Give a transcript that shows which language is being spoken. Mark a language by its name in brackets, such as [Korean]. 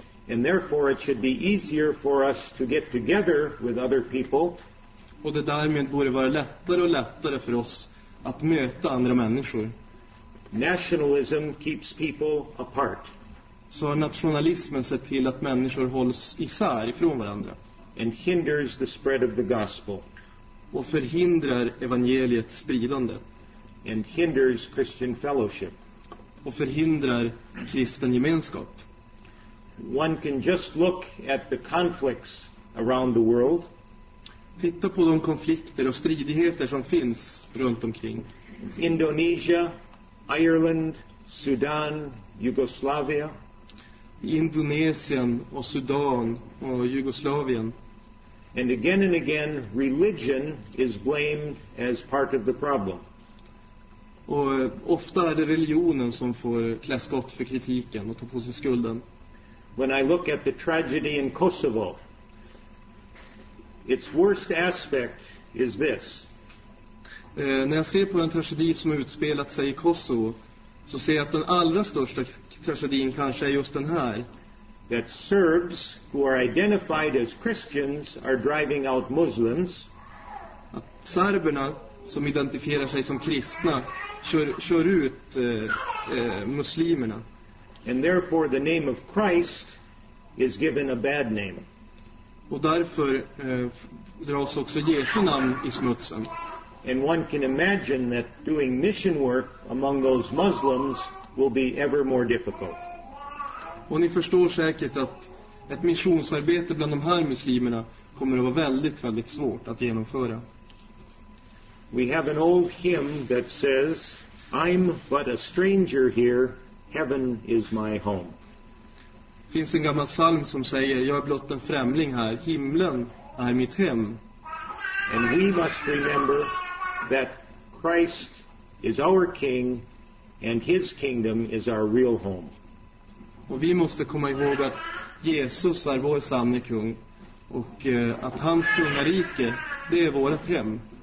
[English] And therefore it should be easier for us to get together with other people. [Swedish] Och det därmed borde vara lättare och lättare för oss att möta andra människor. [English] Nationalism keeps people apart. [Swedish] Så nationalismen ser till att människor hålls isär ifrån varandra. [English] And hinders the spread of the gospel. [Swedish] Och förhindrar evangeliets spridande. [English] And hinders Christian fellowship. [Swedish] Och förhindrar kristen gemenskap. [English] One can just look at the conflicts around the world. [Swedish] Titta på de konflikter och stridigheter som finns runt omkring. [English] Indonesia, Ireland, Sudan, Jugoslavia. [Swedish] Indonesien och Sudan och Jugoslavien. [English] And again, religion is blamed as part of the problem. [Swedish] Och ofta är det religionen som får klä skott för kritiken och ta på sig skulden. [English] When I look at the tragedy in Kosovo, its worst aspect is this. [Swedish] När jag ser på en tragedi som har utspelat sig i Kosovo, så ser jag att den allra största tragedin kanske är just den här. [English] That Serbs, who are identified as Christians, are driving out Muslims. [Swedish] Att serberna som identifierar sig som kristna kör ut muslimerna. [English] And therefore the name of Christ is given a bad name. [Swedish] Och därför dras också Jesu namn i smutsen. [English] And one can imagine that doing mission work among those Muslims will be ever more difficult. [Swedish] Och ni förstår säkert att ett missionsarbete bland de här muslimerna kommer att vara väldigt, väldigt svårt att genomföra. [English] We have an old hymn that says, I'm but a stranger here. Heaven is my home. [Swedish] Finns en gammal psalm som säger, jag är blott en främling här, himlen är mitt hem. [English] And we must remember that Christ is our king and his kingdom is our real home. [Swedish] Och vi måste komma ihåg att Jesus är vår sanne kung och att hans kungarike, det är vårt hem.